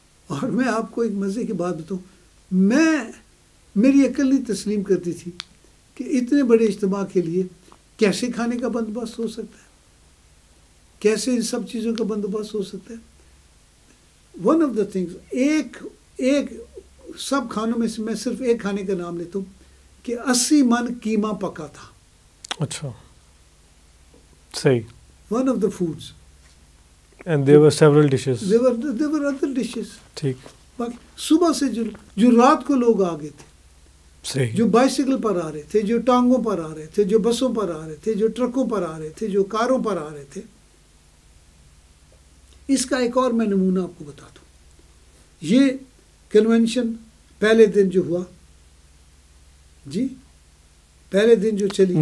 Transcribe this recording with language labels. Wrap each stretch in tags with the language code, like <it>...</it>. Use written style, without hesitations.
<ur>اور میں آپ کو ایک مزے کی بات بتاؤں, میں میری عقل نہیں تسلیم کرتی تھی کہ اتنے بڑے اجتماع کے لیے کیسے کھانے کا بندوبست ہو سکتا ہے, کیسے ان سب چیزوں کا بندوبست ہو سکتا ہے.</ur> <en>one of the things,</en> <ur>ایک سب کھانوں میں سے میں صرف ایک کھانے کا نام لیتا ہوں کہ 80 من قیمہ پکا تھا. اچھا, صحیح.</ur> <en>One of the foods. And there were several dishes. There were other dishes.</en> <ur>ٹھیک. باقی صبح سے جو رات کو لوگ آ گئے تھے. صحیح. جو بائسیکل پر آ رہے تھے, جو ٹانگوں پر آ رہے تھے, جو بسوں پر آ رہے تھے, جو ٹرکوں پر آ رہے تھے, جو کاروں پر آ رہے تھے. اس کا ایک اور میں نمونہ آپ کو بتا دوں. یہ کنونشن پہلے دن جو ہوا, جی پہلے دن جو چلی</ur>